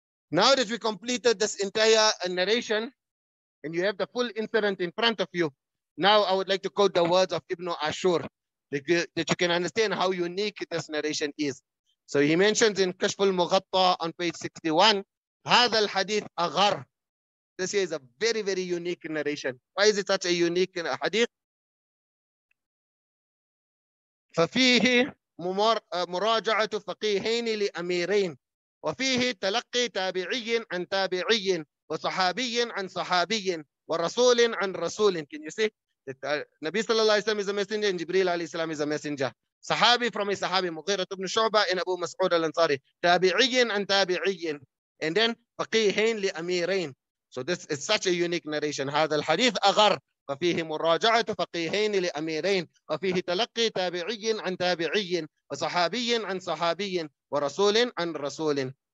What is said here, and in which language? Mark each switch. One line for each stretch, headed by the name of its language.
English: Now that we completed this entire narration, and you have the full incident in front of you, now I would like to quote the words of Ibn Ashur, that you can understand how unique this narration is. So he mentions in Kashful Muwaṭṭa on page 61,
Arabic: هذا الحديث أغر.
English: This here is a very, very unique narration. Why is it such a unique hadith?
Arabic: ففيه مراجعة فقيهين لأميرين وفيه تلقي تابعي عن تابعي وصحابي عن صحابي ورسول عن رسول.
English: Can you see that Nabi صلى الله عليه وسلم is a messenger and Jibreel عليه السلام is a messenger. Sahabi from a Sahabi, مغيرة بن شعبة and Abu Mas'ud al-Ansari.
Arabic: تابعي عن تابعي.
English: And then
Arabic: فقيهين لأميرين.
English: So this is such a unique narration.
Arabic: هذا الحديث أغر وفيه مراجعة فقيهين لأميرين وفيه تلقي تابعي عن تابعي وصحابي عن صحابي ورسول عن رسول.